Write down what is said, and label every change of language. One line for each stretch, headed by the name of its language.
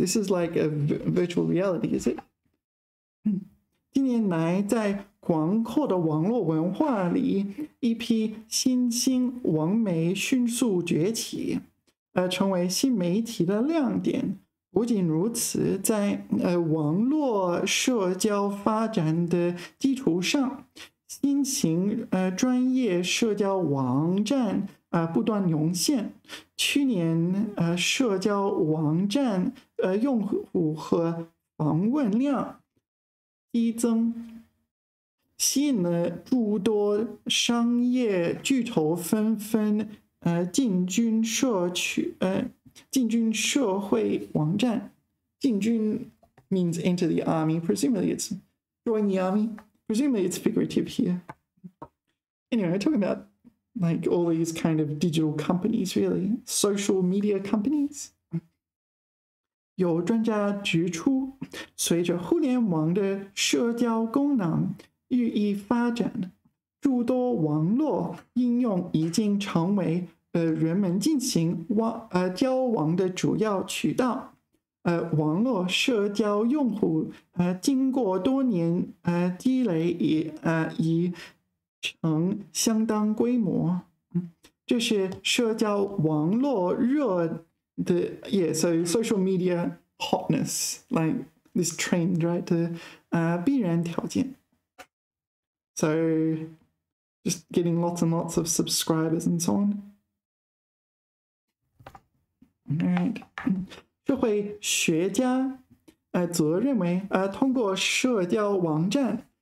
English: This is like a virtual reality, is it?
Chinese: 近年来在广阔的网络文化里一批新兴网媒迅速崛起成为新媒体的亮点。不仅如此在网络社交发展的基础上新型专业社交网站不断涌现。去年社交网站用户和访问量激增吸引了诸多商业巨头纷纷进军社区进军社会网站。
English: 进军 means enter the army, presumably it's join the army, presumably it's figurative here. Anyway, I'm talking about,Like all these kind of digital companies, really. Social media companies.
Chinese: 有专家指出，随着互联网的社交功能日益发展，诸多网络应用已经成为人们进行交往的主要渠道。网络社交用户经过多年积累以成相当规模，这是社交网络热的 ，yeah.
English: So social media hotness, like this trend, right?
Chinese: 的必然条件。
English: So just getting lots and lots of subscribers and so on. All right.
Chinese: 社会学家则认为通过社交网站。